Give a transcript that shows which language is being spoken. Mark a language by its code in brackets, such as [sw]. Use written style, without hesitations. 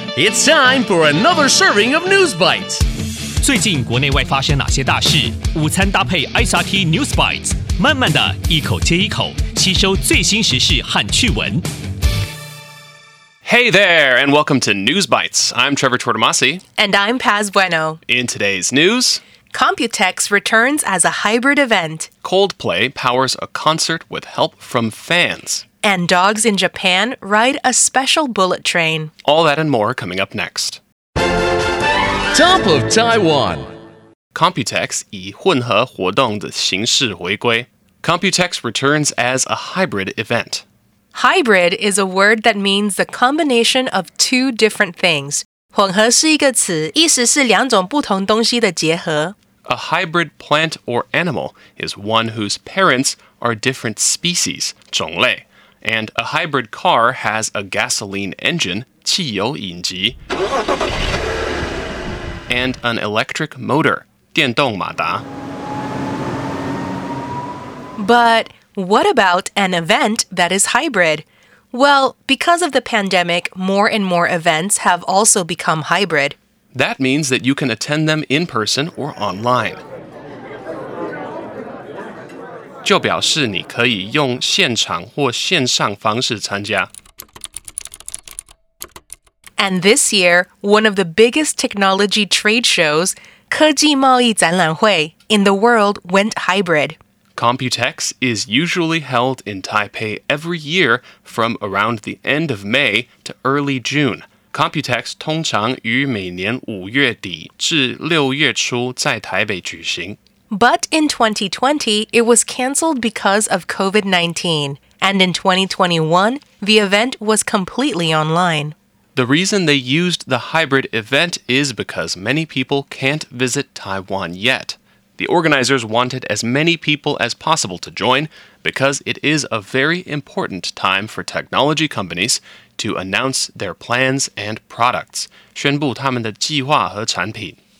[en] It's time for another serving of News Bites. [zh] 最近国内外发生哪些大事？午餐搭配 SRT News Bites， 慢慢的一口接一口，吸收最新时事和趣闻。 [en] Hey there, and welcome to News Bites. I'm Trevor Tortomasi. And I'm Paz Bueno. In today's news, Computex returns as a hybrid event. Coldplay powers a concert with help from fans. And dogs in Japan ride a special bullet train. All that and more coming up next. Top of Taiwan. [zh] Computex 以混合活动的形式回归。 [en] Computex returns as a hybrid event. Hybrid is a word that means the combination of two different things. [zh] 混合是一个词，意思是两种不同东西的结合。 [en] A hybrid plant or animal is one whose parents are different species, 种类。 And a hybrid car has a gasoline engine, 汽油引擎。 And an electric motor, 电动马达。 But... What about an event that is hybrid? Well, because of the pandemic, more and more events have also become hybrid. That means that you can attend them in person or online. [zh] 就表示你可以用现场或线上方式参加。 [en] And this year, one of the biggest technology trade shows, 科技贸易展览会, in the world went hybrid. Computex is usually held in Taipei every year from around the end of May to early June. [zh] Computex 通常于每年五月底至六月初在台北举行。 [en] But in 2020, it was cancelled because of COVID-19. And in 2021, the event was completely online. The reason they used the hybrid event is because many people can't visit Taiwan yet. The organizers wanted as many people as possible to join because it is a very important time for technology companies to announce their plans and products. [zh] 宣布他们的计划和产品。